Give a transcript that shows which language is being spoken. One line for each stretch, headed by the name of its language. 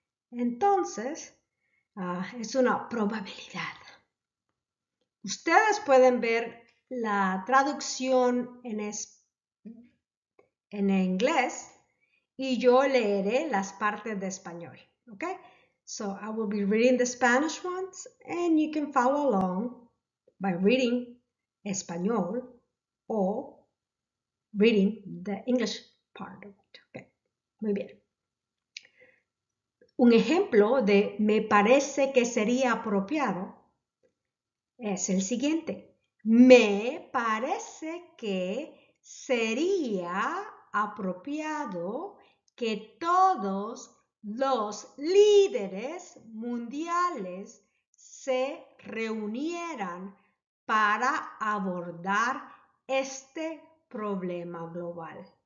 Spanish: Entonces, es una probabilidad. Ustedes pueden ver la traducción en inglés y yo leeré las partes de español. ¿Ok?
English: So I will be reading the Spanish ones and you can follow along by reading español or reading the English part of it.
Spanish: Okay. Muy bien. Un ejemplo de me parece que sería apropiado es el siguiente. Me parece que sería apropiado que todos los líderes mundiales se reunieran para abordar este problema global.